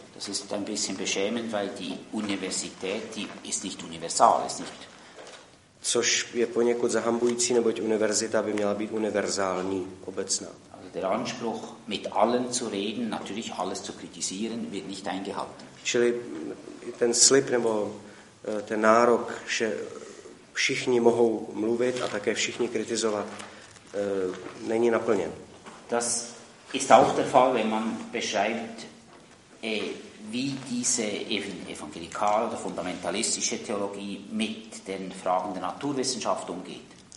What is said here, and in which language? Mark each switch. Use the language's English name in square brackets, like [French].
[German] Das ist ein bisschen beschämend, weil die Universität, die ist nicht universal, ist nicht. [Czech] Což je poněkud zahambující, neboť univerzita by měla být univerzální, obecná. [German] Also der Anspruch, mit allen zu reden, natürlich alles zu kritisieren, wird nicht eingehalten. [Czech] Čili ten slib nebo ten nárok, že všichni mohou mluvit a také všichni kritizovat, není naplněn. [German] Das ist auch der Fall, wenn man beschreibt, wie diese evangelikale oder fundamentalistische Theologie mit den Fragen der Naturwissenschaft umgeht.